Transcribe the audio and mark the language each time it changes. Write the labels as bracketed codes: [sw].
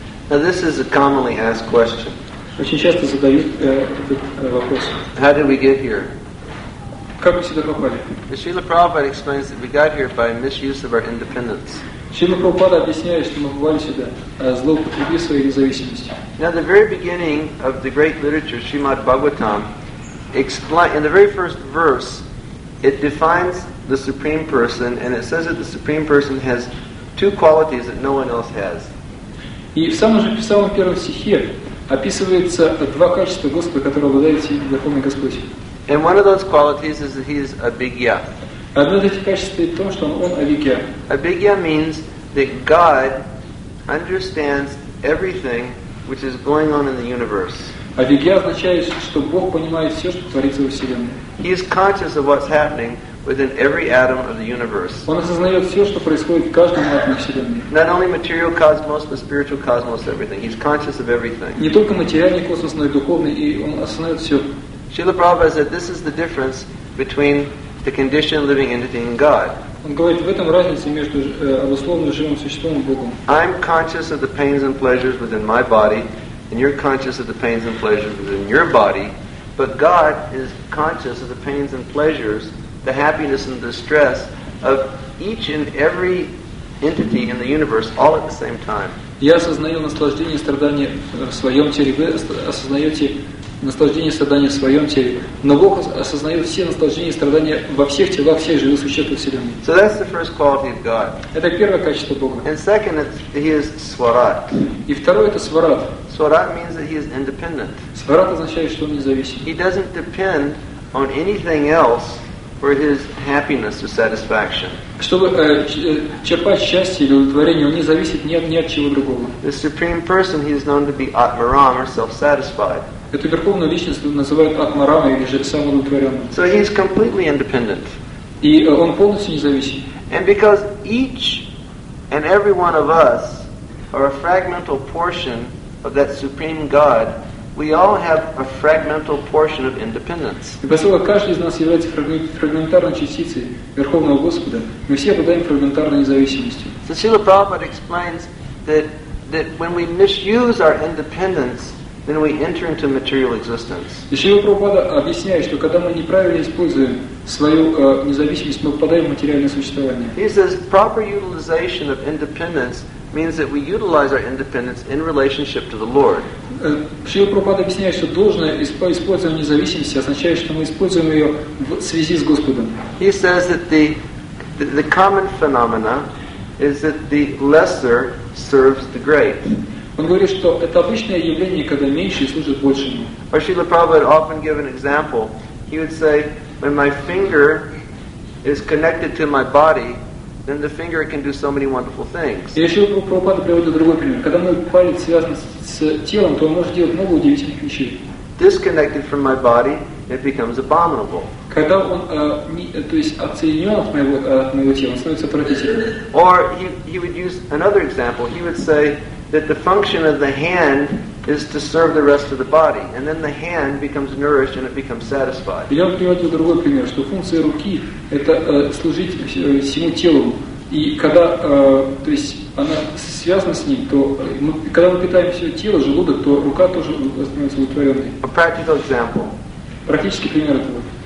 [en] Now this is a commonly asked question. [ru] Очень часто задают этот вопрос. [en] How did we get here? [ru] Как мы сюда попали? [en] Шрила Прабхупада explains that we got here by misuse of our independence. [ru] Шрила Прабхупада объясняет, что мы попали сюда, злоупотребив своей независимостью. [en] Now, the very beginning of the great literature, Srimad Bhagavatam, in the very first verse, it defines the Supreme Person, and it says that the Supreme Person has two qualities that no one else has. [ru] И в самом первом стихе описывается два качества Господа, которые обладает Верховный Господь. [en] And one of those qualities is that he is avijñā. [ru] Одно из этих качеств то, что он avijñā. [en] Avijñā means that God understands everything which is going on in the universe. [ru] Avijñā означает, что Бог понимает все, что творится во вселенной. [en] He is conscious of what's happening within every atom of the universe. [ru] Он осознает все, что происходит в каждом атоме вселенной. [en] Not only material cosmos, but spiritual cosmos, everything. He's conscious of everything. [ru] Не только материальный космос, но и духовный, и он осознает все. [en] Srila Prabhupada said this is the difference between the conditioned living entity and God. [ru] Он говорит, в этом разница между обусловленным живым существом и Богом. [en] I'm conscious of the pains and pleasures within my body, and you're conscious of the pains and pleasures within your body, but God is conscious of the pains and pleasures, the happiness and distress of each and every entity in the universe all at the same time. [ru] Я осознаю наслаждение и страдание в своем теле. Вы осознаете наслаждение и страдание в своем теле. Но Бог осознает все наслаждения и страдания во всех телах всех живых существ Вселенной. [en] So that's the first quality of God. [ru] Это первое качество Бога. [en] And second, he is Swarat. [ru] И второе, это Swarat. [en] Swarat means that he is independent. [ru] Swarat означает, что он независим. [en] He doesn't depend on anything else for his happiness or satisfaction. [ru] Чтобы черпать счастье или удовлетворение, он не зависит ни от чего другого. [en] The Supreme Person, he is known to be Atmaram or self-satisfied. [ru] Эту верховную личность называют Атмарамой или же самоудовлетворенным. [en] So he is completely independent. [ru] И он полностью независим. [en] And because each and every one of us are a fragmental portion of that supreme God, we all have a fragmental portion of independence. [ru] И поскольку каждый из нас является фрагментарной частицей Верховного Господа, мы все обладаем фрагментарной независимостью. [en] So Srila Prabhupada explains that when we misuse our independence, then we enter into material existence. [ru] И Шрила Прабхупада объясняет, что когда мы неправильно используем свою независимость, мы попадаем в материальное существование. [en] He says proper utilization of independence means that we utilize our independence in relationship to the Lord. [ru] Шрила Прабхупада объясняет, что должное использование независимости означает, что мы используем ее в связи с Господом. [en] He says that the common phenomena is that the lesser serves the great. [ru] Он говорит, что это обычное явление, когда меньшие служат большему. [en] Or Srila Prabhupada often give an example. He would say, when my finger is connected to my body, then the finger can do so many wonderful things. [ru] И Шрила Прабхупада приводит другой пример. Когда мой палец связан с телом, то он может делать много удивительных вещей. [en] Disconnected from my body, it becomes abominable. [ru] Когда он отсоединен от моего тела, он становится отвратительным. [en] Or he would use another example. He would say that the function of the hand is to serve the rest of the body, and then the hand becomes nourished and it becomes satisfied. [ru] Я приведу другой пример, что функция руки это служить всему телу, и когда, то есть она связана с ним, то когда мы питаем все тело, желудок, то рука тоже становится удовлетворенной. [en] A practical example. [ru] Практический пример этого.